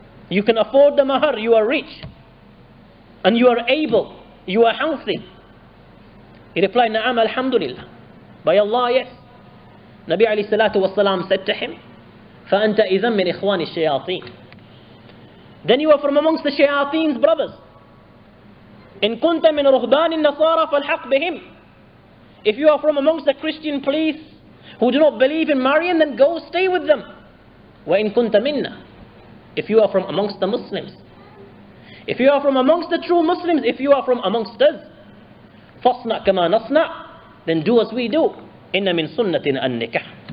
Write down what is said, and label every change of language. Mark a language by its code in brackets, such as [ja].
[en] You can afford the mahar, you are rich. And you are able, you are healthy. He replied, [ar] Na'am, alhamdulillah. [en] By Allah, yes. [ar] Nabi alayhi salatu wasalam [en] said to him, [ar] Fa anta izan min ikhwani shayateen. [en] Then you are from amongst the shayateen's brothers. [ar] إن كنت من رهبان النصارى فالحق بهم. [en] If you are from amongst the Christian police who do not believe in marrying, then go stay with them. [ar] وإن كنت منا. [en] If you are from amongst the Muslims. If you are from amongst the true Muslims, if you are from amongst us. [ar] فصنع كما نصنع. [en] Then do as we do. [ar] إن من سنة النكاح.